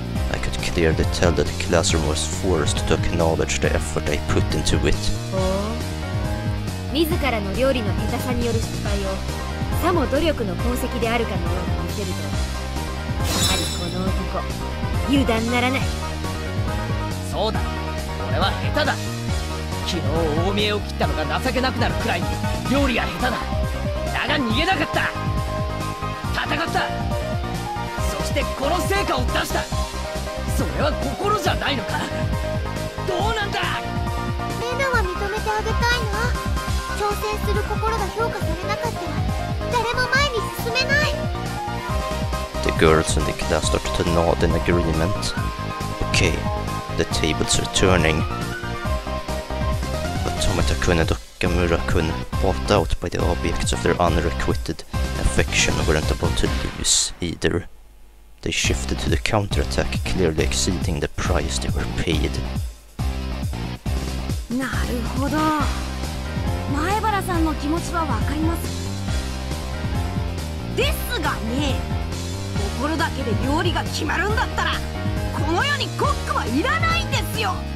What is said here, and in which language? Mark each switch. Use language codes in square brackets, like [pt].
[en] I could clearly tell that the classroom was forced to acknowledge the effort I put into it. [ja] Oh, 自らの料理の下手さによる失敗をさも努力の功績であるかのように見せると、やはりこの男油断ならない。そうだ、俺は下手だ。昨日大見えを切ったのが情けなくなるくらいに料理は下手だ。だが逃げなかった。戦った。そしてこの成果を出した。それは心じゃないのか。どうなんだ。レナは認めてあげたいな。挑戦する心が評価されなかったら誰も前に進めない。 [en] The girls in the class started to nod in agreement. Okay, the tables are turning. Tomita-kun and Okamura-kun, bought out by the objects of their unrequited affection, weren't about to lose either. They shifted to the counterattack, clearly exceeding the price they were paid. [ja] なるほど。前原さんの気持ちはわかります。ですがね、心だけで料理が決まるんだったら、この世にコックはいらないんですよ。